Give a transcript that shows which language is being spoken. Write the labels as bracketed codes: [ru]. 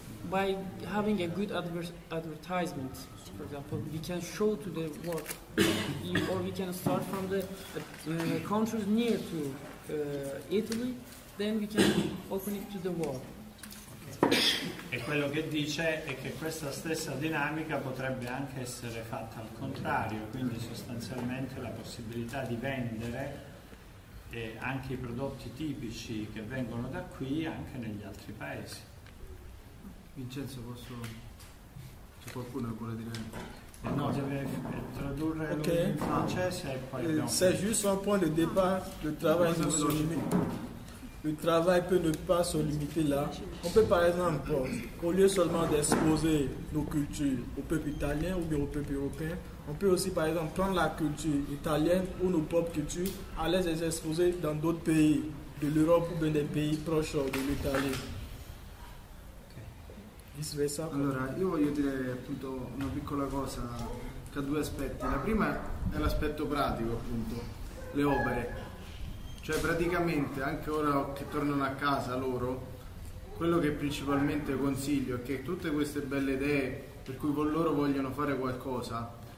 [en] By having a good advertisement, for example, we can show to the world, or we can start from the countries near to Italy, then we can open it to the world. [it] E quello che dice è che questa stessa dinamica potrebbe anche essere fatta al contrario, quindi sostanzialmente la possibilità di vendere anche i prodotti tipici che vengono da qui anche negli altri paesi. Vincenzo, posso C'è qualcuno che vuole dire? No, deve tradurre in francese e poi abbiamo. [fr] C'est juste un point de départ, le travail ne se limite. Le travail peut ne pas se limiter là. On peut par exemple, au lieu seulement d'exposer nos cultures au peuple italien ou bien au peuple européen, on peut aussi par exemple prendre la culture italienne ou nos propres cultures, aller les exposer dans d'autres pays de l'Europe ou bien des pays proches de l'Italie. [it] Allora, io voglio dire appunto una piccola cosa che ha due aspetti. La prima è l'aspetto pratico, appunto, le opere. Cioè praticamente anche ora che tornano a casa loro, quello che principalmente consiglio è che tutte queste belle idee per cui con loro vogliono fare qualcosa,